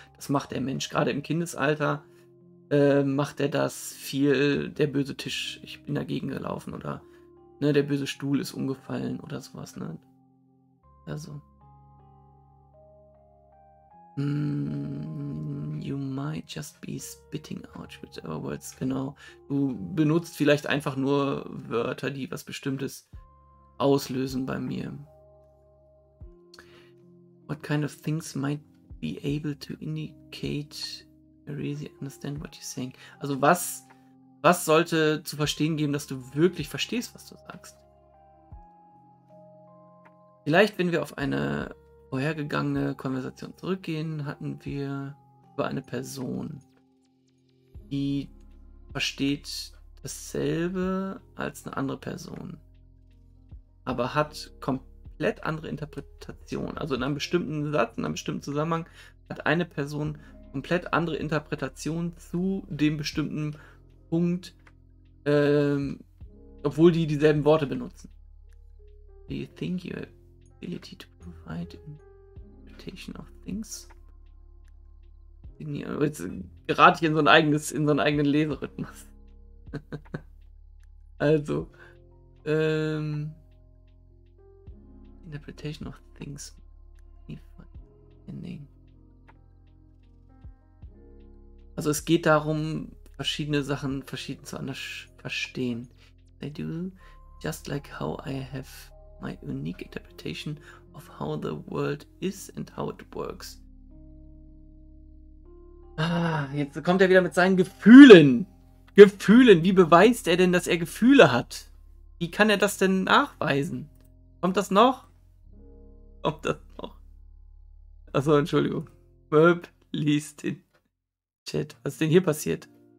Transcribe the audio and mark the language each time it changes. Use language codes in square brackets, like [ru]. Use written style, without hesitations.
[de] Das macht der Mensch gerade im Kindesalter, macht er das viel, der böse Tisch, ich bin dagegen gelaufen, oder ne, der böse Stuhl ist umgefallen oder sowas, ne? Also. [en] You might just be spitting out whatever words, genau. [de] Du benutzt vielleicht einfach nur Wörter, die was Bestimmtes auslösen bei mir. [en] What kind of things might be able to indicate I really understand what you're saying? [de] Also was sollte zu verstehen geben, dass du wirklich verstehst, was du sagst? Vielleicht, wenn wir auf eine vorhergegangene Konversation zurückgehen, hatten wir über eine Person, die versteht dasselbe als eine andere Person, aber hat komplett andere Interpretationen. Also in einem bestimmten Satz, in einem bestimmten Zusammenhang hat eine Person komplett andere Interpretationen zu dem bestimmten Punkt, Obwohl die dieselben Worte benutzen. [en] Do you think your ability to provide interpretation of things? [de] Jetzt gerate ich in so einen eigenen Leserhythmus. [en] Also, interpretation of things. [de] Also es geht darum, verschiedene Sachen verschieden zu anders verstehen. [en] I do just like how I have my unique interpretation of how the world is and how it works. [de] Ah, jetzt kommt er wieder mit seinen Gefühlen. Gefühlen, wie beweist er denn, dass er Gefühle hat? Wie kann er das denn nachweisen? Kommt das noch? Kommt das noch? Achso, Entschuldigung. Möb liest den Chat. Was ist denn hier passiert?